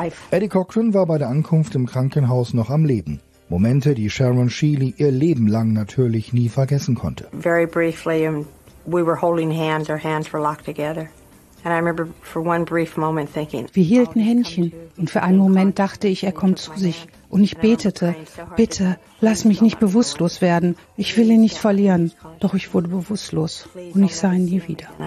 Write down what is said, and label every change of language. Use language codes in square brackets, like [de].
[de] Eddie Cochran war bei der Ankunft im Krankenhaus noch am Leben. Momente, die Sharon Sheely ihr Leben lang natürlich nie vergessen konnte. [en] Very briefly, we were holding hands, our hands were locked together. And I remember for one brief moment thinking, [de] wir hielten Händchen und für einen Moment dachte ich, er kommt zu sich. Und ich betete, bitte, lass mich nicht bewusstlos werden. Ich will ihn nicht verlieren. Doch ich wurde bewusstlos und ich sah ihn nie wieder.